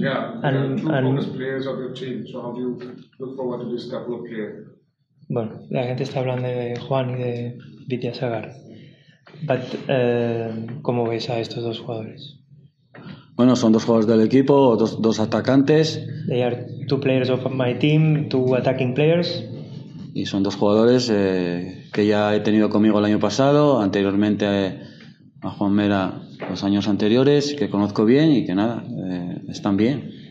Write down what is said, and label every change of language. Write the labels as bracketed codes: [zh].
[en] Yeah, and two and bonus players of your team. So how do you look forward to this couple of players? [es] Bueno, la gente está hablando de Juan y de Vidyasagar. But, ¿cómo veis a estos dos jugadores? Bueno, son dos jugadores del equipo, dos atacantes. [en] They are two players of my team, two attacking players. [es] Y son dos jugadores que ya he tenido conmigo el año pasado, anteriormente a Juan Mera los años anteriores, que conozco bien y que nada, están bien.